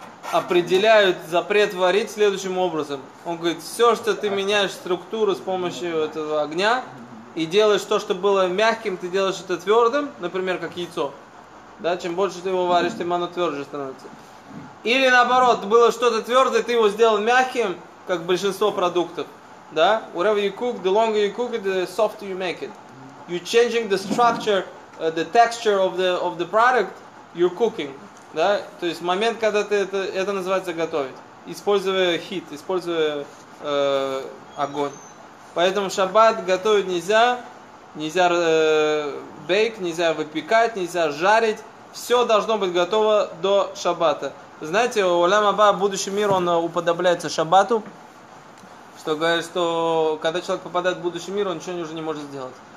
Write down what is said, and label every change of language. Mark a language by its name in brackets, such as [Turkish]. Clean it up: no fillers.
[Russian] определяют запрет варить следующим образом. Он говорит, все, что ты меняешь структуру с помощью этого огня и делаешь то, что было мягким, ты делаешь это твердым, например, как яйцо. Да, чем больше ты его варишь, тем оно тверже становится. Или наоборот, было что-то твердое, ты его сделал мягким, как большинство продуктов. Да? [English] Whatever you cook, the longer you cook it, the softer you make it. You're changing the structure, the texture of the product you're cooking. [Russian] Да? То есть момент, когда ты это называется готовить, используя хит, используя огонь. Поэтому шаббат готовить нельзя, нельзя бейк, нельзя выпекать, нельзя жарить. Все должно быть готово до шаббата. Знаете, Олям Аба, будущий мир, он уподобляется шаббату, что говорит, что когда человек попадает в будущий мир, он ничего уже не может сделать.